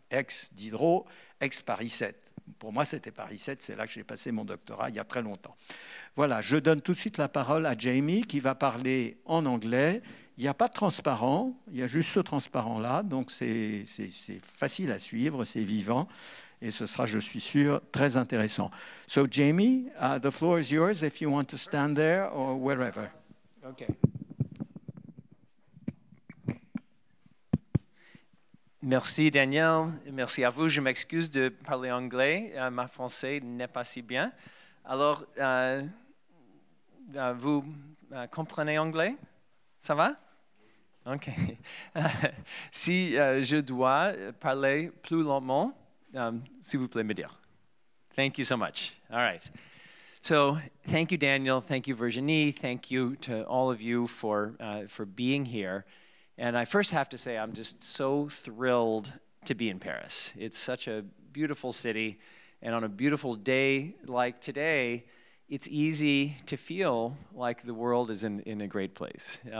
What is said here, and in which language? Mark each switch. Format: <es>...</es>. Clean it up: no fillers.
<fr>Ex-Diderot, ex-Paris 7. Pour moi, c'était Paris 7, c'est là que j'ai passé mon doctorat il y a très longtemps. Voilà, je donne tout de suite la parole à Jamie qui va parler en anglais. Il n'y a pas de transparent, il y a juste ce transparent-là, donc c'est facile à suivre, c'est vivant, et ce sera, je suis sûr, très intéressant.</fr> <en>So, Jamie, the floor is yours if you want to stand there or wherever. Okay.</en> <fr>Merci Daniel, merci à vous. Je m'excuse de parler anglais, ma français n'est pas si bien. Alors, vous comprenez anglais? Ça va? Ok. Si je dois parler plus lentement, s'il vous plaît me dire.</fr> <en>Thank you so much. All right. So, thank you Daniel, thank you Virginie, thank you to all of you for being here. And I first have to say, I'm just so thrilled to be in Paris. It's such a beautiful city. And on a beautiful day like today, it's easy to feel like the world is in a great place.</en>